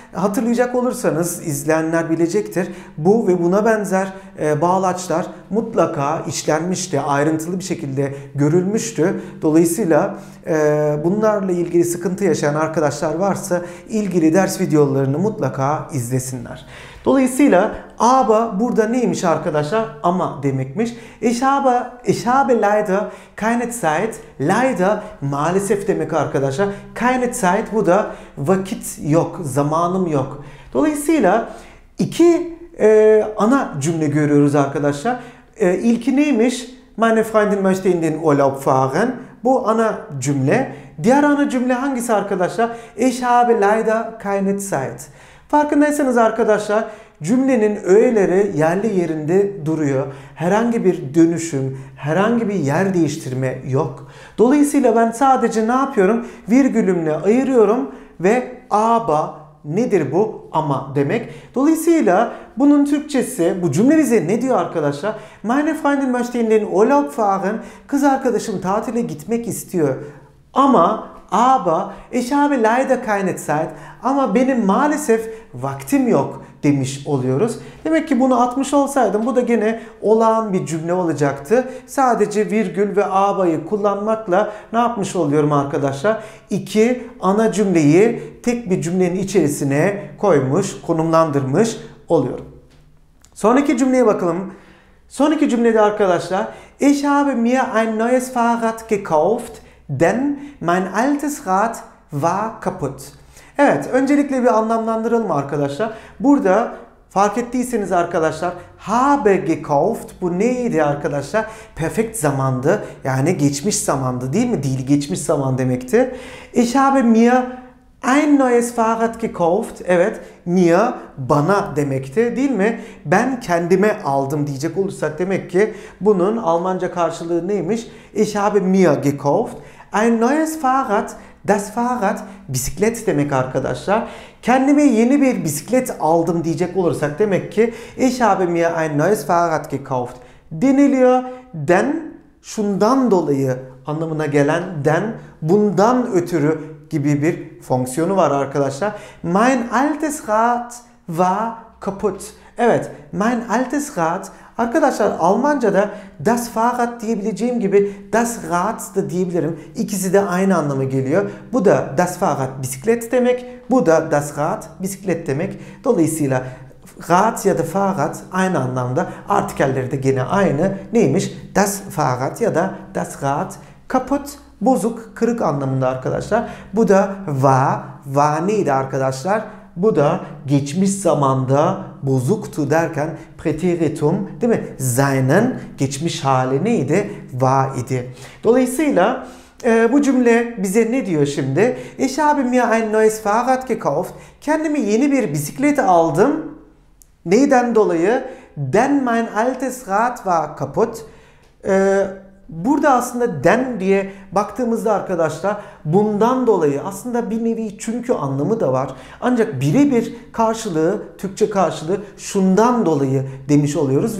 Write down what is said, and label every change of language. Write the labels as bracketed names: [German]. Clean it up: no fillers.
[Turkish] Hatırlayacak olursanız izleyenler bilecektir. Bu ve buna benzer bağlaçlar mutlaka işlenmişti. Ayrıntılı bir şekilde görülmüştü. Dolayısıyla bunlarla ilgili sıkıntı yaşayan arkadaşlar varsa ilgili ders videolarını mutlaka izlesinler. Dolayısıyla aber burada neymiş arkadaşlar? Ama demekmiş. [German] Ich habe leider keine Zeit. [Turkish] Leider maalesef demek arkadaşlar. [German] Keine Zeit, [Turkish] bu da vakit yok, zamanım yok. Dolayısıyla iki ana cümle görüyoruz arkadaşlar. İlki neymiş? [German] Meine Freundin möchte in den Urlaub fahren. [Turkish] Bu ana cümle. Diğer ana cümle hangisi arkadaşlar? [German] Ich habe leider keine Zeit. [Turkish] Farkındaysanız arkadaşlar, cümlenin öğeleri yerli yerinde duruyor. Herhangi bir dönüşüm, herhangi bir yer değiştirme yok. Dolayısıyla ben sadece ne yapıyorum? Virgülümle ayırıyorum ve aber nedir bu? Ama demek. Dolayısıyla bunun Türkçesi, bu cümle bize ne diyor arkadaşlar? [German] Meine Freundin möchte in den Urlaub fahren. [Turkish] Kız arkadaşım tatile gitmek istiyor. Ama [German] aber ich habe leider keine Zeit, [Turkish] ama benim maalesef vaktim yok demiş oluyoruz. Demek ki bunu atmış olsaydım bu da gene olağan bir cümle olacaktı. Sadece virgül ve aber'ı kullanmakla ne yapmış oluyorum arkadaşlar? İki ana cümleyi tek bir cümlenin içerisine koymuş, konumlandırmış oluyorum. Sonraki cümleye bakalım. Sonraki cümlede arkadaşlar, [German] ich habe mir ein neues Fahrrad gekauft. Denn mein altes Rad war kaputt. [Turkish] Evet, öncelikle bir anlamlandıralım arkadaşlar. Burada fark ettiyseniz arkadaşlar, [German] habe gekauft, [Turkish] bu neydi arkadaşlar? Perfekt zamandı, yani geçmiş zamandı değil mi? Değil, geçmiş zaman demekti. [German] Ich habe mir ein neues Fahrrad gekauft. [Turkish] Evet, mir bana demekti değil mi? Ben kendime aldım diyecek olursak demek ki bunun Almanca karşılığı neymiş? [German] Ich habe mir gekauft. Ein neues Fahrrad, das Fahrrad, [Turkish] bisiklet demek arkadaşlar. Kendime yeni bir bisiklet aldım diyecek olursak demek ki [German] ich habe mir ein neues Fahrrad gekauft [Turkish] deniliyor. Den, şundan dolayı anlamına gelen den, bundan ötürü gibi bir fonksiyonu var arkadaşlar. [German] Mein altes Rad war kaputt. Evet, mein altes Rad. [Turkish] Arkadaşlar Almanca'da das Fahrrad diyebileceğim gibi das Rad da diyebilirim. İkisi de aynı anlama geliyor. Bu da das Fahrrad, bisiklet demek. Bu da das Rad, bisiklet demek. Dolayısıyla Rad ya da Fahrrad aynı anlamda. Artikelleri de gene aynı. Neymiş? [German] Das Fahrrad [Turkish] ya da [German] das Rad kaputt. [Turkish] Bozuk, kırık anlamında arkadaşlar. Bu da war. War neydi arkadaşlar? Bu da geçmiş zamanda bozuktu derken preteritum, değil mi? Seinen geçmiş hali neydi? War idi. Dolayısıyla Bu cümle bize ne diyor şimdi? [German] Ich habe mir ein neues Fahrrad gekauft. [Turkish] Kendime yeni bir bisiklet aldım. Neyden dolayı? [German] Denn mein altes Rad war kaputt. [Turkish] Burada aslında den diye baktığımızda arkadaşlar bundan dolayı aslında bir nevi çünkü anlamı da var. Ancak birebir karşılığı, Türkçe karşılığı şundan dolayı demiş oluyoruz.